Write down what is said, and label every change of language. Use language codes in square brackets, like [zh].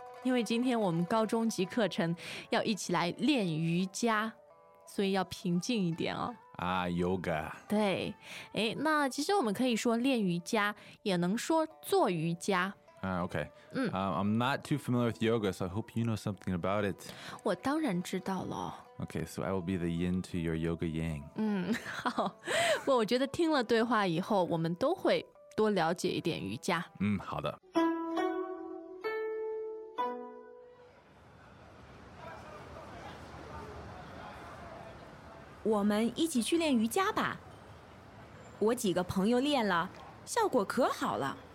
[zh] 因为今天我们高中级课程要一起来练瑜伽，所以要平静一点哦。啊，yoga. 对，诶，那其实我们可以说练瑜伽，也能说做瑜伽。 [en] I'm not too familiar with yoga, so I hope you know something about it. [zh] 我当然知道了。Okay, [en] so I will be the yin to your yoga yang. [zh] 嗯，好。我觉得听了对话以后，我们都会多了解一点瑜伽。嗯，好的。我们一起去练瑜伽吧。我几个朋友练了，效果可好了。